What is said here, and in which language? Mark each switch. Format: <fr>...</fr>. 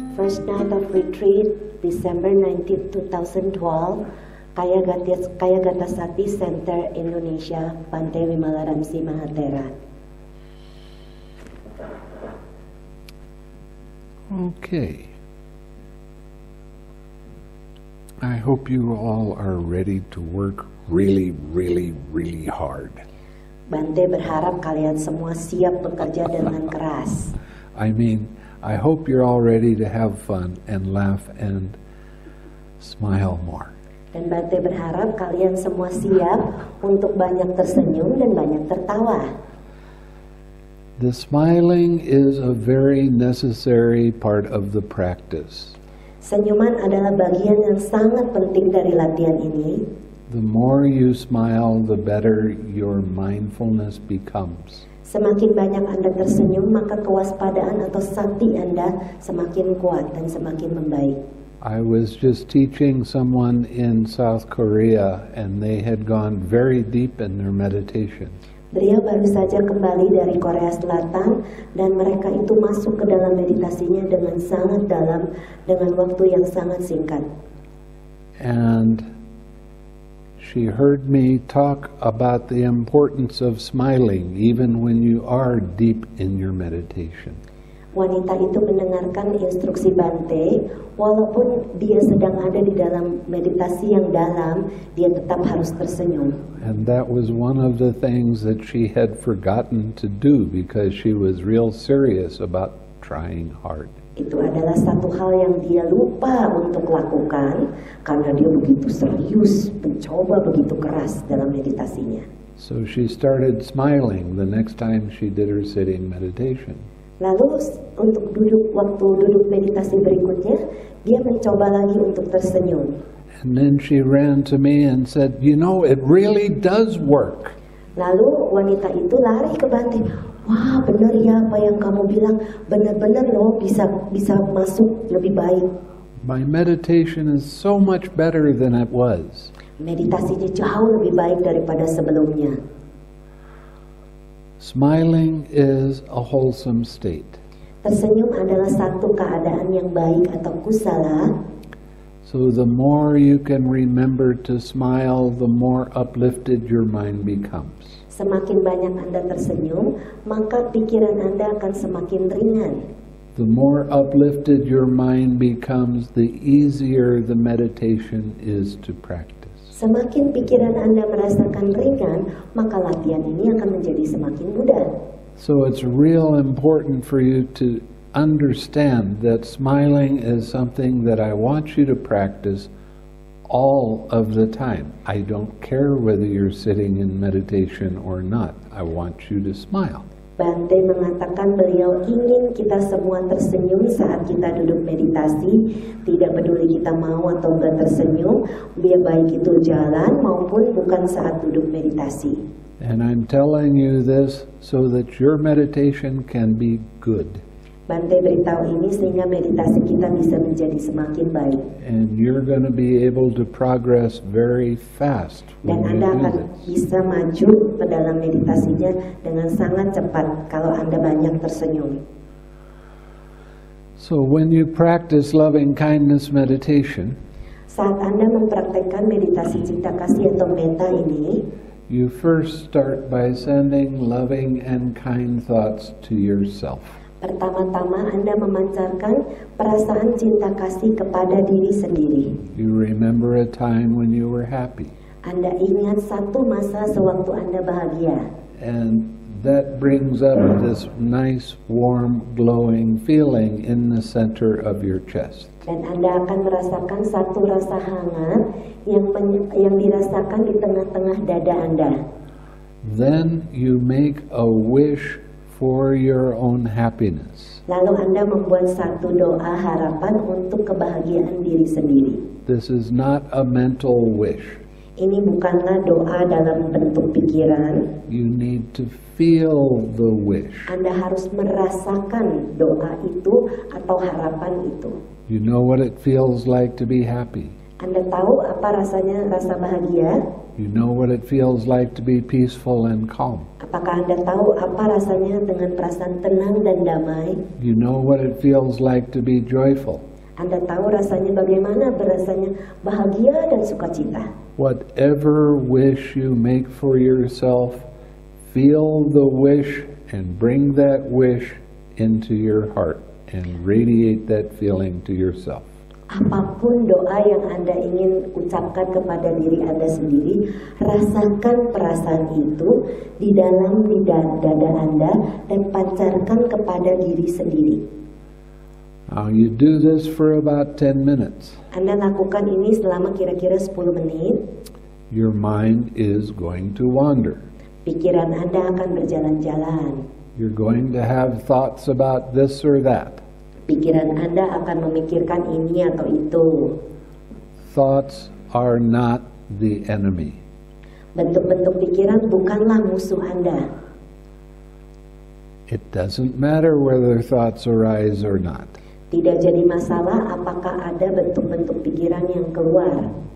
<en>start of retreat December 19, 2012, Kayagatasati Center, Indonesia, Pantai Wimalaramsi, Mahatera. Okay. I hope you all are ready to work really, really, really hard.</en> <id>Bante berharap kalian semua siap bekerja dengan keras.</id> <en>I mean, I hope you're all ready to have fun and laugh and smile more.</en> <id>Dan Bante berharap kalian semua siap untuk banyak tersenyum dan banyak tertawa.</id> <en>The smiling is a very necessary part of the practice.</en> <id>Senyuman adalah bagian yang sangat penting dari latihan ini.</id> <en>The more you smile, the better your mindfulness becomes.</en> <id>Semakin banyak Anda tersenyum, maka kewaspadaan atau sati Anda semakin kuat dan semakin membaik.</id> <en>I was just teaching someone in South Korea and they had gone very deep in their meditation.</en> <id>Beliau baru saja kembali dari Korea Selatan dan mereka itu masuk ke dalam meditasinya dengan sangat dalam dengan waktu yang sangat singkat.</id> <en>And she heard me talk about the importance of smiling even when you are deep in your meditation.</en> <id>Wanita itu mendengarkan instruksi Bante, walaupun dia sedang ada di dalam meditasi yang dalam, dia tetap harus tersenyum.</id> <en>And that was one of the things that she had forgotten to do because she was real serious about trying hard.</en> <id>Itu adalah satu hal yang dia lupa untuk lakukan karena dia begitu serius mencoba begitu keras dalam meditasinya.</id> <en>So she started smiling the next time she did her sitting meditation.</en> <id>Lalu untuk duduk waktu duduk meditasi berikutnya, dia mencoba lagi untuk tersenyum.</id> <en>And then she ran to me and said, "You know, it really does work."</en> <id>Lalu wanita itu lari ke Bante. Wah, benar ya apa yang kamu bilang, benar-benar loh bisa masuk lebih baik.</id> <en>My meditation is so much better than it was.</en> <id>Meditasinya jauh lebih baik daripada sebelumnya.</id> <en>Smiling is a wholesome state.</en> <id>Tersenyum adalah satu keadaan yang baik atau kusala.</id> <en>So the more you can remember to smile, the more uplifted your mind becomes.</en> <id>Semakin banyak Anda tersenyum, maka pikiran Anda akan semakin ringan.</id> <en>The more uplifted your mind becomes, the easier the meditation is to practice.</en> <id>Semakin pikiran Anda merasakan ringan, maka latihan ini akan menjadi semakin mudah.</id> <en>So it's real important for you to understand that smiling is something that I want you to practice all of the time. I don't care whether you're sitting in meditation or not. I want you to smile.</en> <id>Bante mengatakan beliau ingin kita semua tersenyum saat kita duduk meditasi, tidak peduli kita mau atau enggak tersenyum, dia baik itu jalan maupun bukan saat duduk meditasi.</id> <en>And I'm telling you this so that your meditation can be good.</en> <id>Bante beritahu ini sehingga meditasi kita bisa menjadi semakin baik.</id> <en>And you're going to be able to progress very fast when you do this.</en> <id>Dan Anda akan bisa maju ke dalam meditasinya dengan sangat cepat kalau Anda banyak tersenyum.</id> <en>So when you practice loving kindness meditation,</en> <id>saat Anda mempraktikkan meditasi cinta kasih atau metta ini,</id> <en>you first start by sending loving and kind thoughts to yourself.</en> <id>Pertama-tama Anda memancarkan perasaan cinta kasih kepada diri sendiri.</id> <en>You remember a time when you were happy.</en> <id>Anda ingat satu masa sewaktu Anda bahagia.</id> <en>And that brings up this nice, warm, glowing feeling in the center of your chest.</en> <id>Dan Anda akan merasakan satu rasa hangat yang dirasakan di tengah-tengah dada Anda.</id> <en>Then you make a wish for your own happiness.</en> <id>Lalu Anda membuat satu doa harapan untuk kebahagiaan diri sendiri.</id> <en>This is not a mental wish.</en> <id>Ini bukanlah doa dalam bentuk pikiran.</id> <en>You need to feel the wish.</en> <id>Anda harus merasakan doa itu atau harapan itu.</id> <en>You know what it feels like to be happy.</en> <id>Anda tahu apa rasanya rasa bahagia?</id> <en>You know what it feels like to be peaceful and calm.</en> <id>Apakah Anda tahu apa rasanya dengan perasaan tenang dan damai?</id> <en>You know what it feels like to be joyful.</en> <id>Anda tahu rasanya bagaimana berasanya bahagia dan sukacita.</id> <en>Whatever wish you make for yourself, feel the wish and bring that wish into your heart and radiate that feeling to yourself.</en> <id>Apapun doa yang Anda ingin ucapkan kepada diri Anda sendiri, rasakan perasaan itu di dalam dada Anda dan pancarkan kepada diri sendiri.</id> <en>Now you do this for about 10 minutes.</en> <id>Anda lakukan ini selama kira-kira 10 menit.</id> <en>Your mind is going to wander.</en> <id>Pikiran Anda akan berjalan-jalan.</id> <en>You're going to have thoughts about this or that.</en> <id>Pikiran Anda akan memikirkan ini atau itu.</id> <en>Thoughts are not the enemy.</en> <id>Bentuk-bentuk pikiran bukanlah musuh Anda.</id> <en>It doesn't matter whether thoughts arise or not.</en> <id>Tidak jadi masalah apakah ada bentuk-bentuk pikiran yang keluar.</id>